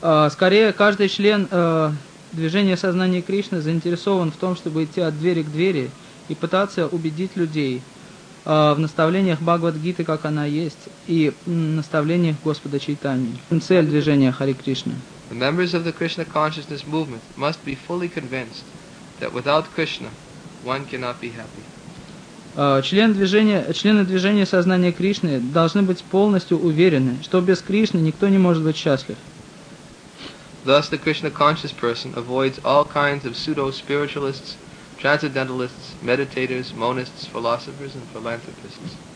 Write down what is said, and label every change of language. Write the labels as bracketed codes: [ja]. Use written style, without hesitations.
[ru] Скорее, каждый член движения сознания Кришны заинтересован в том, чтобы идти от двери к двери и пытаться убедить людей в наставлениях Бхагавад-гиты, как она есть, и наставлениях Господа Чайтаньи. Цель движения Хари Кришны. [en] The members of the Krishna consciousness movement must be fully convinced that without Krishna, one cannot be happy. [ru] Члены движения сознания Кришны должны быть полностью уверены, что без Кришны никто не может быть счастлив. [en] Thus, the Krishna conscious person avoids all kinds of pseudo-spiritualists, transcendentalists, meditators, monists, philosophers, and philanthropists.